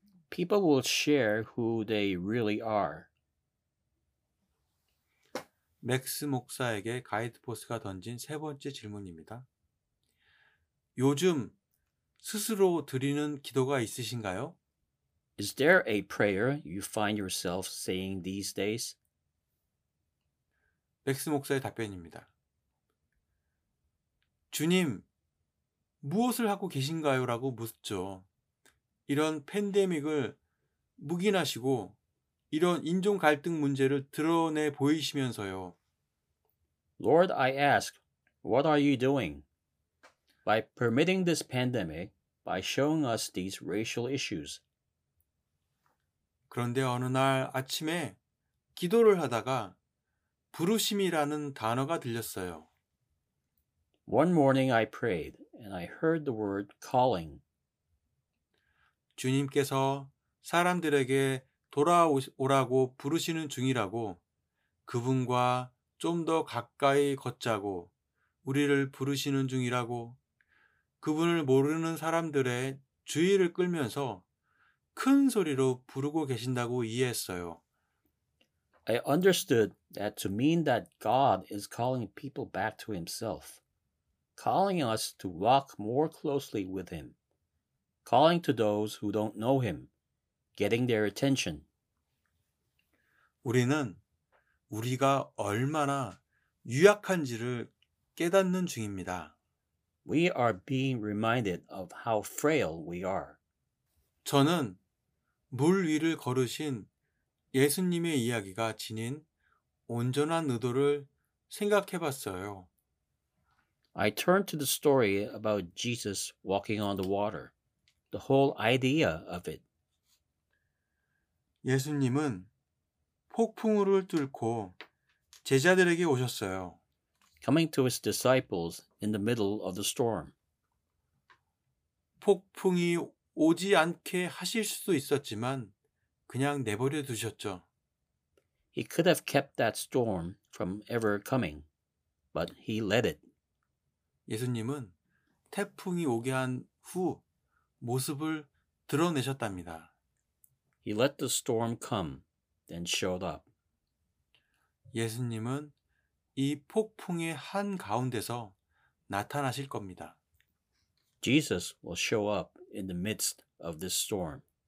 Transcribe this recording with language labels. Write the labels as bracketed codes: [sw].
[en] People will share who they really are. [ko] 맥스 목사에게 가이드포스트가 던진 세 번째 질문입니다. 요즘 스스로 드리는 기도가 있으신가요? [en] Is there a prayer you find yourself saying these days? [ko] 렉스 목사의 답변입니다. 주님, 무엇을 하고 계신가요? 라고 묻죠. 이런 팬데믹을 묵인하시고 이런 인종 갈등 문제를 드러내 보이시면서요. [en] Lord, I ask, what are you doing? By permitting this pandemic, by showing us these racial issues. [ko] 그런데 어느 날 아침에 기도를 하다가 부르심이라는 단어가 들렸어요. [en] One morning I prayed and I heard the word calling. [ko] 주님께서 사람들에게 돌아오라고 부르시는 중이라고 그분과 좀 더 가까이 걷자고 우리를 부르시는 중이라고 그분을 모르는 사람들의 주의를 끌면서 큰 소리로 부르고 계신다고 이해했어요. [en] I understood that to mean that God is calling people back to himself, calling us to walk more closely with him, calling to those who don't know him, getting their attention. [ko] 우리는 우리가 얼마나 유약한지를 깨닫는 중입니다. [en] We are being reminded of how frail we are. [ko] 저는 물 위를 걸으신 예수님의 이야기가 지닌 온전한 의도를 생각해 봤어요. [en] I turned to the story about Jesus walking on the water, the whole idea of it. [ko] 예수님은 폭풍우를 뚫고 제자들에게 오셨어요. [en] Coming to his disciples in the middle of the storm. [ko] 폭풍이 오지 않게 하실 수도 있었지만 그냥 내버려 두셨죠. [en] He could have kept that storm from ever coming, but he let it. [ko] 예수님은 태풍이 오게 한 후 모습을 드러내셨답니다. [en] He let the storm come, then showed up. [ko] 예수님은 이 폭풍의 한 가운데서 나타나실 겁니다. [en] Jesus will show up in the midst of this storm.